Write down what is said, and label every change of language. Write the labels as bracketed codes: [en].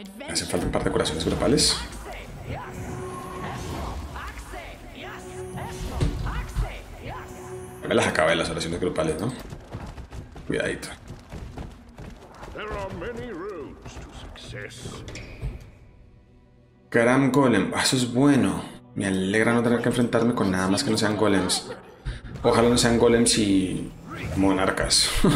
[es] Hacen falta un par de curaciones grupales. Me las acabé las oraciones grupales, ¿no? Cuidadito. [en] There are many roads to success. [es] Gran golem, eso es bueno. Me alegra no tener que enfrentarme con nada más que no sean golems. Ojalá no sean golems y monarcas.